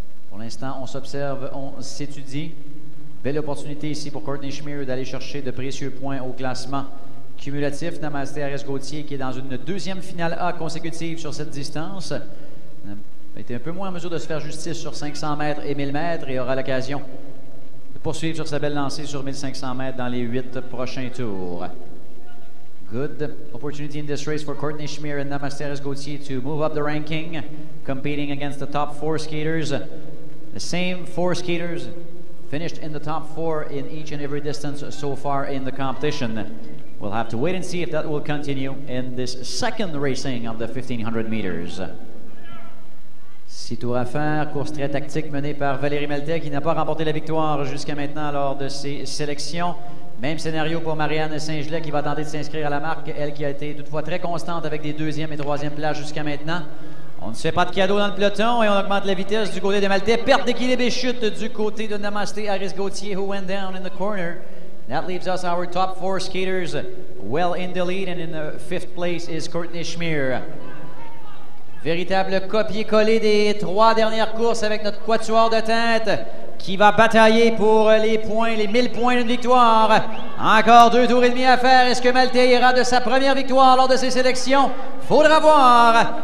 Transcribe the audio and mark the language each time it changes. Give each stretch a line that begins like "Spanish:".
French: Pour l'instant, on s'observe, on s'étudie. Belle opportunité ici pour Courtney Schmier d'aller chercher de précieux points au classement cumulatif. Namasté Harris Gauthier, qui est dans une deuxième finale A consécutive sur cette distance, a été un peu moins en mesure de se faire justice sur 500 mètres et 1000 mètres et aura l'occasion de poursuivre sur sa belle lancée sur 1500 mètres dans les 8 prochains tours.
English: Good opportunity in this race for Courtney Schmier and Namasté Harris Gauthier to move up the ranking, competing against the top four skaters. The same four skaters finished in the top four in each and every distance so far in the competition. We'll have to wait and see if that will continue in this second racing of the 1500 meters.
French: Six tours à faire, course très tactique menée par Valérie Maltais qui n'a pas remporté la victoire jusqu'à maintenant lors de ses sélections. Même scénario pour Marianne Saint-Gelais qui va tenter de s'inscrire à la marque. Elle qui a été toutefois très constante avec des deuxièmes et troisièmes places jusqu'à maintenant. On ne se fait pas de cadeau dans le peloton et on augmente la vitesse du côté de Maltais. Perte d'équilibre et chute du côté de Namasté Harris Gauthier
English: who went down in the corner. That leaves us our top four skaters well in the lead and in the fifth place is Courtney Schmier.
French: Véritable copier-coller des trois dernières courses avec notre quatuor de tête qui va batailler pour les points, les 1000 points d'une victoire. Encore deux tours et demi à faire. Est-ce que Maltais ira de sa première victoire lors de ses sélections? Faudra voir.